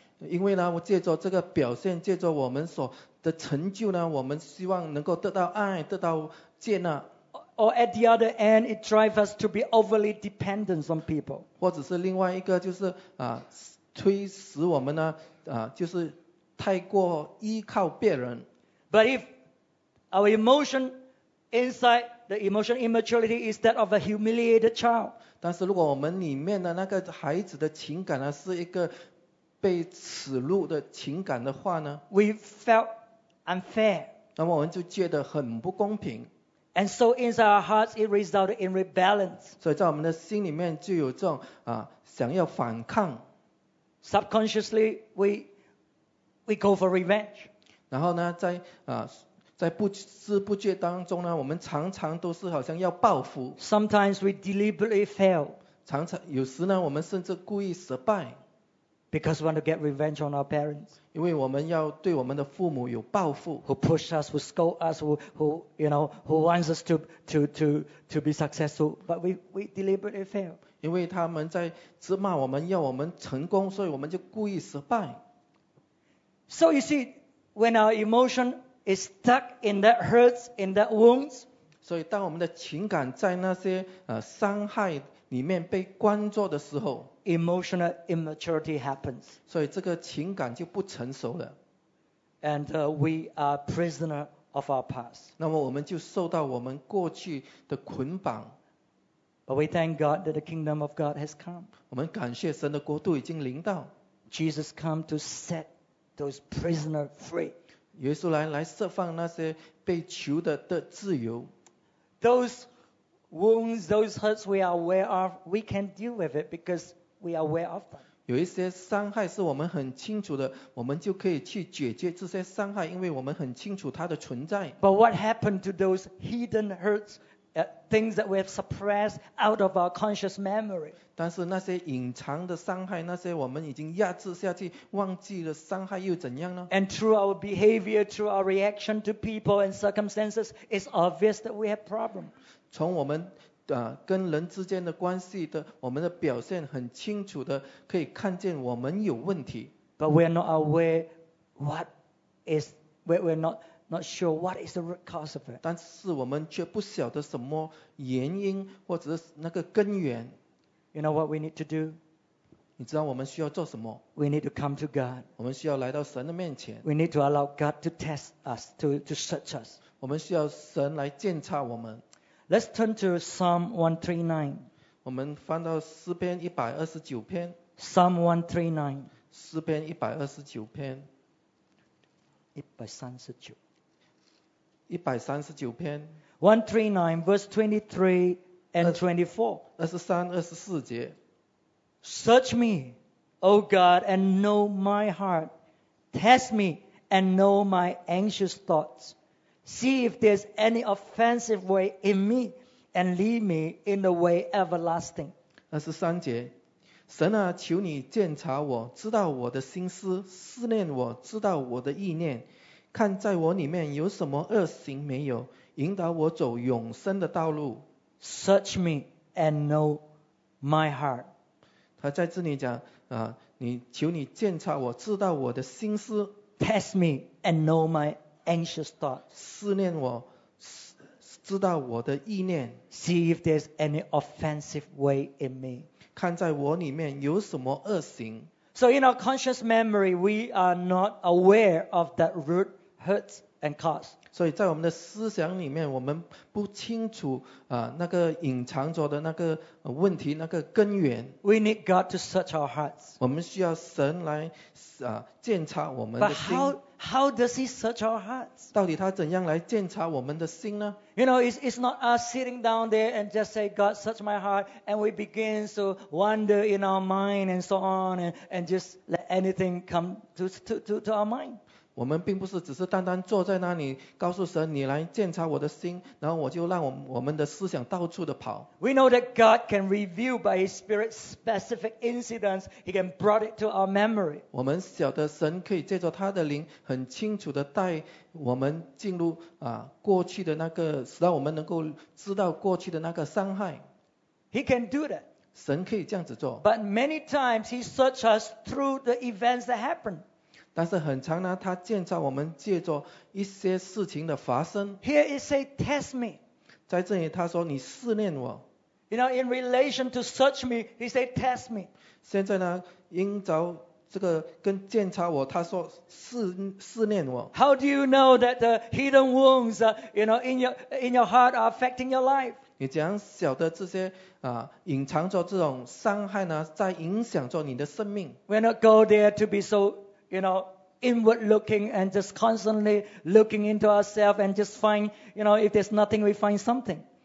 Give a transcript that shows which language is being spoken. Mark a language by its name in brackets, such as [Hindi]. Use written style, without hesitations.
[Chinese] 因为呢，我借着这个表现，借着我们所的成就呢，我们希望能够得到爱，得到接纳。 [English] Or at the other end, it drives us to be overly dependent on people. [Chinese] 或者是另外一个就是推使我们呢就是太过依靠别人。 [English] But if our emotion inside the emotion immaturity is that of a humiliated child. [Chinese] 但是如果我们里面的那个孩子的情感呢是一个被耻辱的情感的话呢 [English] ，We felt unfair. [Chinese] 那么我们就觉得很不公平。 [English] And so inside our hearts, it resulted in rebellion. [Chinese] 所以在我们的心里面就有这种想要反抗。 [English] Subconsciously, we go for revenge. [Chinese] 然后呢，在不知不觉当中呢，我们常常都是好像要报复。 [English] Sometimes we deliberately fail. [Chinese] 常常有时呢，我们甚至故意失败。 [English] Because we want to get revenge on our parents. [Chinese] 因为我们要对我们的父母有报复。 [English] Who push us, who scold us, who wants us to be successful, but we deliberately fail. [Chinese] 因为他们在责骂我们，要我们成功，所以我们就故意失败。 [English] So you see, when our emotion is stuck in that hurts, in that wounds. [Chinese] 所以当我们的情感在那些伤害里面被关着的时候 [English] ，emotional immaturity happens。 [Chinese] 所以这个情感就不成熟了。 [English] And we are prisoner of our past。 [Chinese] 那么我们就受到我们过去的捆绑。 [English] But we thank God that the kingdom of God has come。 [Chinese] 我们感谢神的国度已经临到。 [English] Jesus come to set those prisoners free。 [Chinese] 耶稣来释放那些被囚的自由。 [English] Those wounds, those hurts we are aware of, we can deal with it because we are aware of them. [Chinese] 有一些伤害是我们很清楚的，我们就可以去解决这些伤害，因为我们很清楚它的存在。 [English] But what happened to those hidden hurts, things that we have suppressed out of our conscious memory? [Chinese] 但是那些隐藏的伤害，那些我们已经压制下去，忘记了伤害又怎样呢？ [English] And through our behavior, through our reaction to people and circumstances, it's obvious that we have problems. [Chinese] 从我们跟人之间的关系的我们的表现很清楚的可以看见我们有问题。 [English] But we are not aware what is, we're not sure what is the root cause of it. [Chinese] 但是我们却不晓得什么原因或者是那个根源。 [English] You know what we need to do? [Chinese] 你知道我们需要做什么？ [English] We need to come to God. [Chinese] 我们需要来到神的面前。 [English] We need to allow God to test us, to search us. [Chinese] 我们需要神来检查我们。 [English] Let's turn to Psalm 139. [Chinese] 我们翻到诗篇一百二十九篇。 [English] Psalm 139. [Chinese] 诗篇一百二十九篇。一百三十九。一百三十九篇。 [English] 139, verse 23 and 24. [Chinese] 二十三、二十四节。 [English] Search me, O God, and know my heart. Test me and know my anxious thoughts. See if there's any offensive way in me and lead me in the way everlasting. [Chinese] 23节，神啊，求你鉴察我，知道我的心思，思念我，知道我的意念，看在我里面有什么恶行没有，引导我走永生的道路。 [English] Search me and know my heart. [Chinese] 他在这里讲，你求你鉴察我，知道我的心思。 [English] Test me and know my heart. Anxious thought. [Chinese] 思念我，知道我的意念。 [English] See if there's any offensive way in me. [Chinese] 看在我里面有什么恶行。 [English] So in our conscious memory, we are not aware of that root hurts and cause. [Chinese] 所以在我们的思想里面，我们不清楚那个隐藏着的那个问题，那个根源。 [English] We need God to search our hearts. [Chinese] 我们需要神来检查我们的心。 [English] How does he search our hearts? [Chinese] 到底他怎样来检查我们的心呢？ [English] You know, it's not us sitting down there and just say, God, search my heart, and we begin to wander in our mind and so on, and just let anything come to our mind. [Chinese] 我们并不是只是单单坐在那里告诉神，你来检查我的心，然后我就让我们的思想到处的跑。 [English] We know that God can reveal by His Spirit specific incidents. He can brought it to our memory. [Chinese] 我们晓得神可以借着他的灵很清楚的带我们进入过去的那个，使到我们能够知道过去的那个伤害。 [English] He can do that. [Chinese] 神可以这样子做。 [English] But many times He searches us through the events that happen. [Chinese] 但是很常呢，他建造我们借着一些事情的发生。 [English] Here it says, test me. [Chinese] 在这里他说你试炼我。 [English] You know, in relation to search me, he said, test me. [Chinese] 现在呢，因着这个跟检查我，他说试炼我。 [English] How do you know that the hidden wounds, you know, in your heart are affecting your life? [Chinese] 你怎样晓得这些隐藏着这种伤害呢，在影响着你的生命 [English] ？We're not go there to be so. You know, inward looking and just constantly looking into ourselves and just find, you know, if there's nothing, we find something.